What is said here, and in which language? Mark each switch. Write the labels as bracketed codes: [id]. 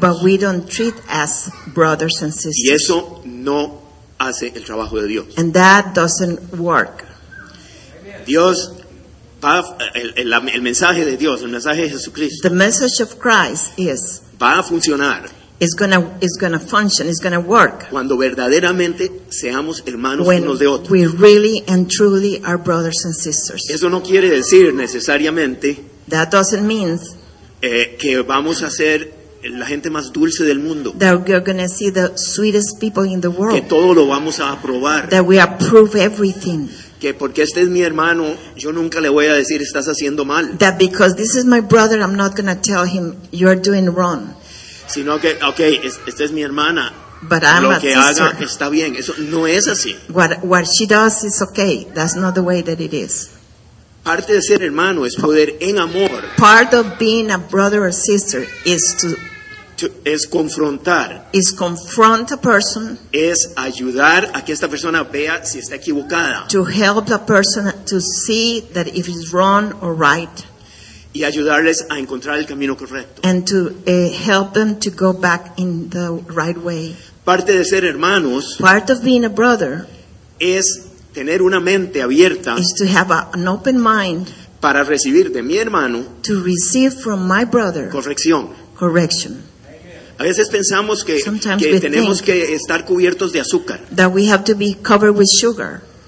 [en] But we don't treat as brothers and sisters. [es] Y eso no hace el trabajo de Dios. [en] And that doesn't work. [es] Dios va, el mensaje de Dios, el mensaje de Jesucristo. [en] The message of Christ is. [es] Va a funcionar. [en] It's gonna function. It's gonna work. [es] Cuando verdaderamente seamos hermanos [en] when [es] unos de otros. [en] We really and truly are brothers and sisters. [es] Eso no quiere decir necesariamente. [en] That doesn't mean. [es] Que vamos a ser la gente más dulce del mundo. [en] That we're gonna see the sweetest people in the world. [es] Que todo lo vamos a aprobar. [en] That we approve everything. [es] Que porque este es mi hermano, yo nunca le voy a decir estás haciendo mal. [en] That because this is my brother, I'm not gonna tell him you're doing wrong. [es] Sino que, okay, esta es mi hermana. [en] But I'm [es] lo que [en] sister. [es] Haga está bien. Eso no es así. [en] What she does is okay. That's not the way that it is. [es] Parte de ser hermano es poder en amor. [en] Part of being a brother or sister is to [es] es confrontar. [en] Is confront a person. [es] Es ayudar a que esta persona vea si está equivocada. [en] To help a person to see that if it's wrong or right. [es] Y ayudarles a encontrar el camino correcto. [en] And to help them to go back in the right way. [es] Parte de ser hermanos. [en] Part of being a brother. [es] Es tener una mente abierta. [en] Is to have an open mind. [es] Para recibir de mi hermano. [en] To receive from my brother. [es] Corrección. [en] Correction. [es] A veces pensamos que tenemos que estar cubiertos de azúcar. [en] That we have to be covered with sugar.